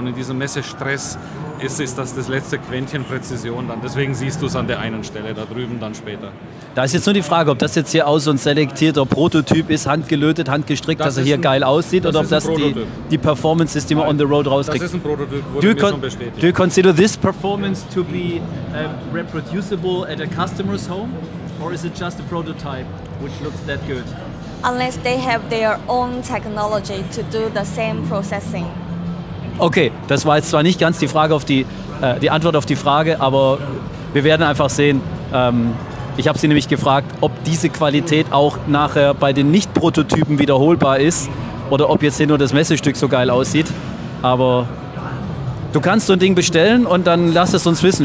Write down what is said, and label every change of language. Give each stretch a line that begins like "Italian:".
German: Und in diesem Messestress ist das das letzte Quäntchen Präzision dann. Deswegen siehst du es an der einen Stelle, da drüben dann später. Da ist jetzt nur die Frage, ob das jetzt hier aus so ein selektierter Prototyp ist, handgelötet, handgestrickt, dass er hier geil aussieht, oder ob das die Performance ist, die man
English: on the road
German: rauskriegt. Das ist ein Prototyp, wurde mir schon bestätigt.
English: Do you consider this performance to be reproducible at a customer's home? Or is it just a prototype, which looks that good? Unless they have their own technology to do the same processing.
German: Okay, das war jetzt zwar nicht ganz die Frage auf die Antwort auf die Frage, aber wir werden einfach sehen. Ich habe sie nämlich gefragt, ob diese Qualität auch nachher bei den Nicht-Prototypen wiederholbar ist oder ob jetzt hier nur das Messestück so geil aussieht. Aber du kannst so ein Ding bestellen und dann lass es uns wissen.